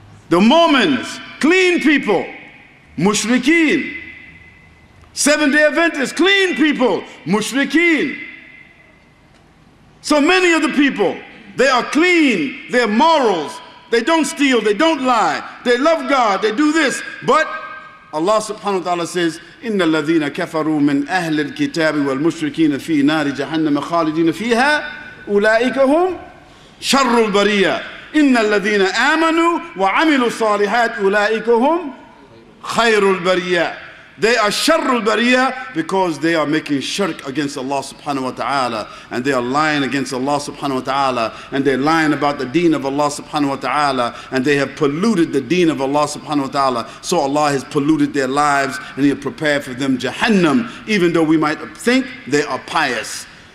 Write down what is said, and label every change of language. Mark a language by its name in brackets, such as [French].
[English] The Mormons, clean people, mushrikeen. Seventh-day Adventists, clean people, mushrikeen. So many of the people, they are clean, they're morals, they don't steal, they don't lie, they love God, they do this. But Allah subhanahu wa ta'ala says, [Arabic] إِنَّ الَّذِينَ كَفَرُوا مِنْ أَهْلِ الْكِتَابِ وَالْمُشْرِكِينَ فِي نَارِ جَهَنَّمَ خَالِدِينَ فِيهَا أُولَٰئِكَ هُمْ شر البرية إن الذين آمنوا وعملوا الصالحات أولئك هم خير البرية. [English] They are [Arabic] شر البرية [English] because they are making shirk against Allah subhanahu wa ta'ala, and they are lying against Allah subhanahu wa ta'ala, and they're lying about the deen of Allah subhanahu wa ta'ala, and they have polluted the deen of Allah subhanahu wa ta'ala. So Allah has polluted their lives and He has prepared for them Jahannam, even though we might think they are pious.